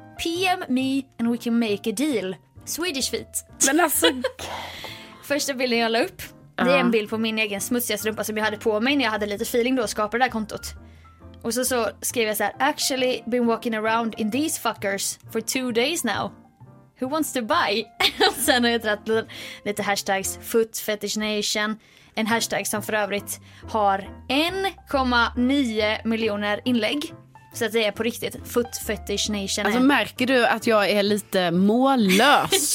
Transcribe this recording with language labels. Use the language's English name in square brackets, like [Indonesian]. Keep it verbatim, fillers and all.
[English] P M me and we can make a deal. Swedish feet. [Swedish] Men alltså... Första bilden jag la upp. Uh-huh. Det är en bild på min egen smutsiga strumpa som jag hade på mig när jag hade lite feeling då och skapade det där kontot. Och så, så skrev jag så här, [English] actually been walking around in these fuckers for two days now. Who wants to buy? [Swedish] Och sen har jag trätt lite hashtags, foot fetish nation. En hashtag som för övrigt har en komma nio miljoner inlägg. Så att det är på riktigt foot fetish nation. Alltså märker du att jag är lite mållös?